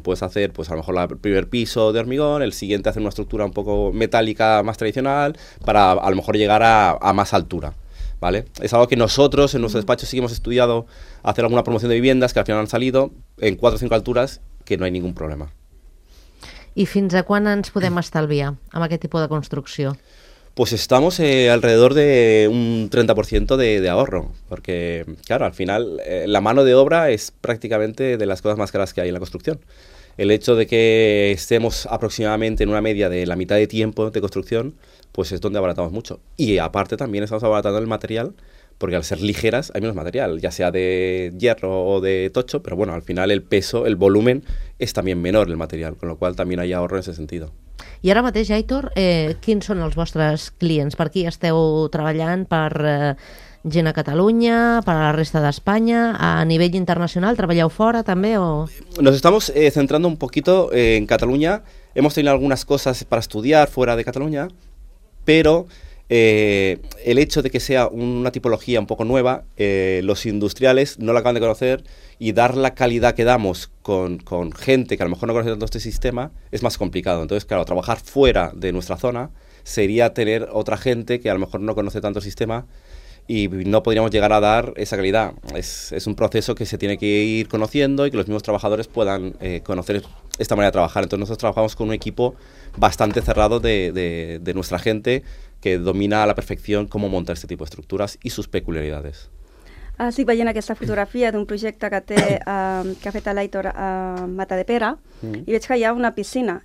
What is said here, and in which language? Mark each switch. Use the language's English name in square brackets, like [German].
[Spanish] Puedes hacer, pues a lo mejor, el primer piso de hormigón, el siguiente hacer una estructura un poco metálica más tradicional, para a lo mejor llegar a más altura. ¿Vale? Es algo que nosotros en nuestro despacho sí hemos estudiado, hacer alguna promoción de viviendas que al final han salido en 4 o 5 alturas, que no hay ningún problema. [Catalan] ¿Y fins a quan ens podem estalviar amb aquest tipus de construcció? [Spanish] Pues estamos alrededor de un 30% de ahorro, porque claro, al final la mano de obra es prácticamente de las cosas más caras que hay en la construcción. El hecho de que estemos aproximadamente en una media de la mitad de tiempo de construcción, pues es donde abaratamos mucho. Y aparte también estamos abaratando el material, porque al ser ligeras hay menos material, ya sea de hierro o de tocho, pero bueno, al final el peso, el volumen, es también menor el material, con lo cual también hay ahorro en ese sentido. [Catalan] I ara mateix, Aitor, quins són els vostres clients? Per qui esteu treballant? Per gent a Catalunya, per a la resta d'Espanya, a nivell internacional? Treballeu fora també? O... [Spanish] Nos estamos centrando un poquito en Catalunya. Hemos tenido algunas cosas para estudiar fuera de Catalunya, pero el hecho de que sea una tipología un poco nueva, los industriales no la acaban de conocer, y dar la calidad que damos con gente que a lo mejor no conoce tanto este sistema es más complicado. Entonces, claro, trabajar fuera de nuestra zona sería tener otra gente que a lo mejor no conoce tanto el sistema y no podríamos llegar a dar esa calidad. Es un proceso que se tiene que ir conociendo y que los mismos trabajadores puedan conocer esta manera de trabajar. Entonces, nosotros trabajamos con un equipo bastante cerrado de nuestra gente que domina a la perfección cómo montar este tipo de estructuras y sus peculiaridades. [Catalan] Estic veient aquesta fotografia d'un projecte que té que ha fet l'Aitor a Matadepera i veig que hi ha una piscina.